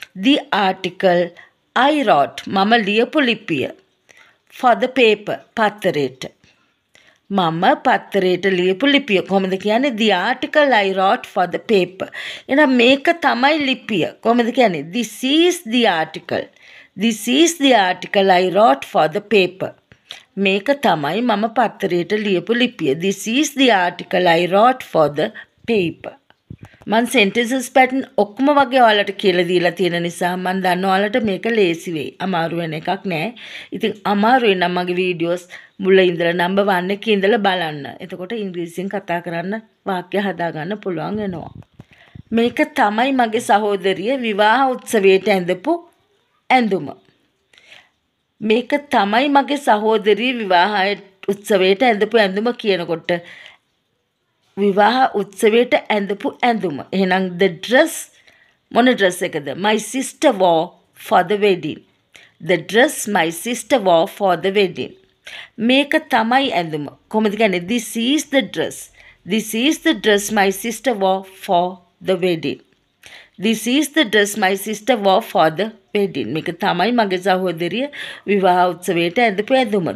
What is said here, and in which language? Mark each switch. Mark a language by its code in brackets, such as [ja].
[en] The article I wrote. [si] මම ලියපු ලිපිය. [en] For the paper. [si] පත්තරේට. මම පත්තරේට ලියපු ලිපිය කොහොමද කියන්නේ? [en] The article I wrote for the paper. [si] එහෙනම් මේක තමයි ලිපිය. කොහොමද කියන්නේ? [en] This is the article. This is the article I wrote for the paper. [si] මේක තමයි මම පත්තරයට ලියපු ලිපිය. [en] This is the article I wrote for the paper. [si] මන් sentences pattern ඔක්කොම වගේ ඔයාලට කියලා දීලා තියෙන නිසා මන් දන්නවා ඔයාලට මේක ලේසි වෙයි. අමාරු වෙන එකක් නෑ. ඉතින් අමාරු නම් මගේ videos මුල ඉඳලා number 1 එක ඉඳලා බලන්න. එතකොට ඉංග්‍රීසියෙන් කතා කරන්න වාක්‍ය හදාගන්න පුළුවන් වෙනවා. මේක තමයි මගේ සහෝදරිය විවාහ උත්සවයට ඇඳපු ඇඳුම. මේක තමයි මගේ සහෝදරිය විවාහ උත්සවයට ඇඳපු ඇඳුම කියනකොට විවාහ උත්සවයට ඇඳපු ඇඳුම. එහෙනම් [en] the dress [si] මොන [en] dress එකද? My sister wore for the wedding. The dress my sister wore for the wedding. [si] මේක තමයි ඇඳුම. කොහොමද කියන්නේ? [en] This is the dress. This is the dress my sister wore for the wedding. This is the dress my sister wore for the wedding. [si] මේක තමයි මගේ සහෝදරිය විවාහ උත්සවයට ඇඳපු ඇඳුම.